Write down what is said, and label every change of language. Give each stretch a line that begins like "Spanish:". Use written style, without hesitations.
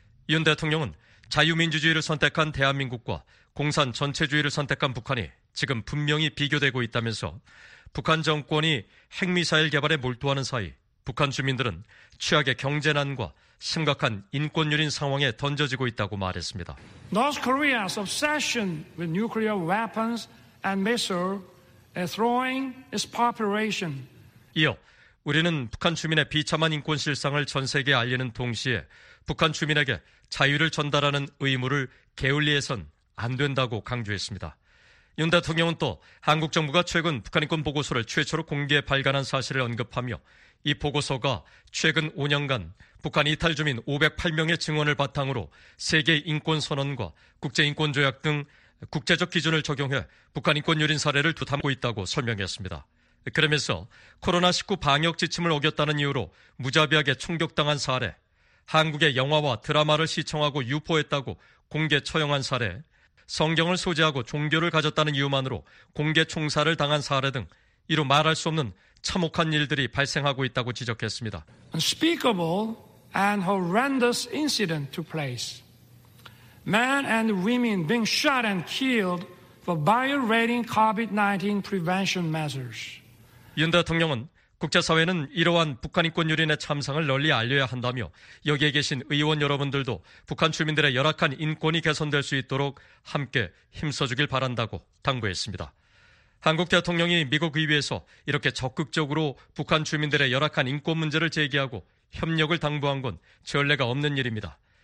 Korean: 윤 대통령은 자유민주주의를 선택한 대한민국과 공산 전체주의를 선택한 북한이 지금 분명히 비교되고 있다면서 북한 정권이 핵미사일 개발에 몰두하는 사이 북한 주민들은 최악의 경제난과 심각한 인권 유린 상황에 던져지고 있다고 말했습니다.
English: North Korea's obsession with nuclear weapons and missiles throwing its population.
Korean: 이어 우리는 북한 주민의 비참한 인권 실상을 전 세계에 알리는 동시에 북한 주민에게 자유를 전달하는 의무를 게을리해선 안 된다고 강조했습니다. 윤 대통령은 또 한국 정부가 최근 북한 인권 보고서를 최초로 공개 발간한 사실을 언급하며 이 보고서가 최근 5년간 북한 이탈주민 508명의 증언을 바탕으로 세계인권선언과 국제인권조약 등 국제적 기준을 적용해 북한 인권 유린 사례를 두둔하고 있다고 설명했습니다. 그러면서 코로나19 방역 지침을 어겼다는 이유로 무자비하게 총격당한 사례, 한국의 영화와 드라마를 시청하고 유포했다고 공개 처형한 사례, 성경을 소지하고 종교를 가졌다는 이유만으로 공개 총살을 당한 사례 등 이루 말할 수 없는 참혹한 일들이 발생하고 있다고 지적했습니다.
English: Unspeakable and horrendous incident took place. Men and women being shot and killed for violating COVID-19 prevention measures.
Korean: 윤 대통령은 국제사회는 이러한 북한 인권 유린의 참상을 널리 알려야 한다며 여기에 계신 의원 여러분들도 북한 주민들의 열악한 인권이 개선될 수 있도록 함께 힘써주길 바란다고 당부했습니다. 한국 대통령이 미국 의회에서 이렇게 적극적으로 북한 주민들의 열악한 인권 문제를 제기하고 협력을 당부한 건 전례가 없는 일입니다.